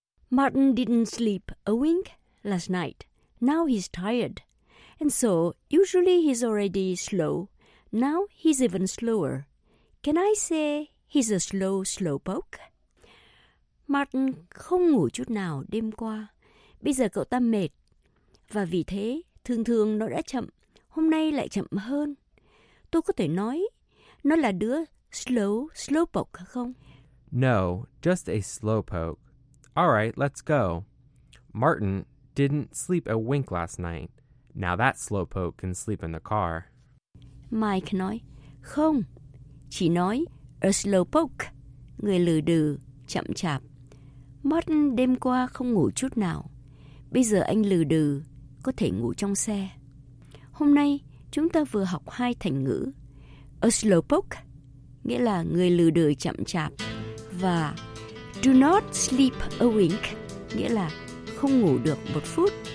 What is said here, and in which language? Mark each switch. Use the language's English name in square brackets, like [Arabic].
[English] Martin didn't sleep a wink last night. Now he's tired. And so, usually he's already slow. Now he's even slower. Can I say he's a slow slowpoke? [Vietnamese] Martin không ngủ chút nào đêm qua. Bây giờ cậu ta mệt. Và vì thế, thường thường nó đã chậm. Hôm nay lại chậm hơn. Tôi có thể nói, nó là đứa slow slowpoke không? [English] No, just a slowpoke. All right, let's go. Martin didn't sleep a wink last night. Now that slowpoke can sleep in the car. [Vietnamese] Mike nói, không, chỉ nói a slowpoke, người lừ đừ, chậm chạp. Martin đêm qua không ngủ chút nào. Bây giờ anh lừ đừ, có thể ngủ trong xe. Hôm nay, chúng ta vừa học hai thành ngữ. A slowpoke, nghĩa là người lừ đừ chậm chạp, và [English] do not sleep a wink, [Vietnamese] nghĩa là không ngủ được một phút.